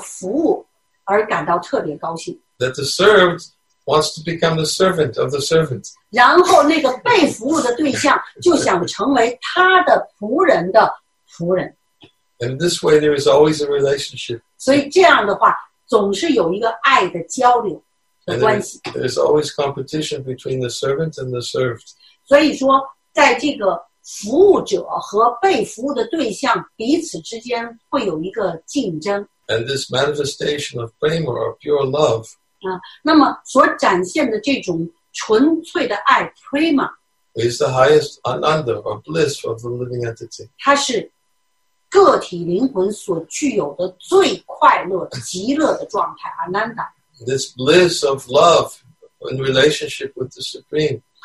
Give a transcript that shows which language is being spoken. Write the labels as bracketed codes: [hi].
[zh] 那个被服务的对象，他就会因为那个服务而感到特别高兴。 [en] That the served wants to become the servant of the servant. [zh] 然后那个被服务的对象就想成为他的仆人的。 [en] And in this way, there is always a relationship. [zh] 所以这样的话，总是有一个爱的交流的关系。 [en] There is always competition between the servant and the served. [zh] 所以说，在这个服务者和被服务的对象彼此之间会有一个竞争。 [en] And this manifestation of prema or pure love. [zh] 那么所展现的这种纯粹的爱 prema [en] is the highest ananda or bliss of the living entity. [zh] 它是 个体灵魂所具有的最快乐、极乐的状态，阿难达。 [en] This bliss of love in relationship with the Supreme.